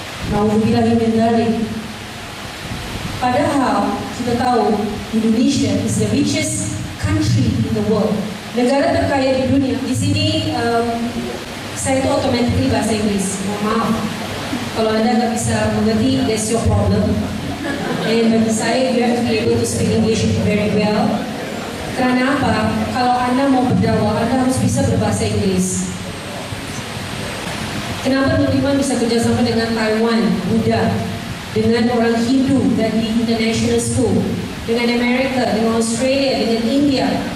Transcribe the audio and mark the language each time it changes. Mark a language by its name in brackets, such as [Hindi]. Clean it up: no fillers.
[Indonesian] Mau bilang ini dari. Padahal kita tahu [English] Indonesia is the richest country in the world. [Indonesian] Negara terkaya di dunia. Di sini saya itu automatically bahasa Inggris. Maaf. Kalau Anda nggak bisa mengerti, [English] that's your problem. And [Indonesian] bagi saya, [English] you have to be able to speak English very well. [Indonesian] Karena apa? Kalau Anda mau berdakwah, Anda harus bisa berbahasa Inggris. Kenapa Nuriman bisa kerjasama dengan Taiwan, Buddha, dengan orang Hindu dan di International School, dengan Amerika, dengan Australia, dengan India?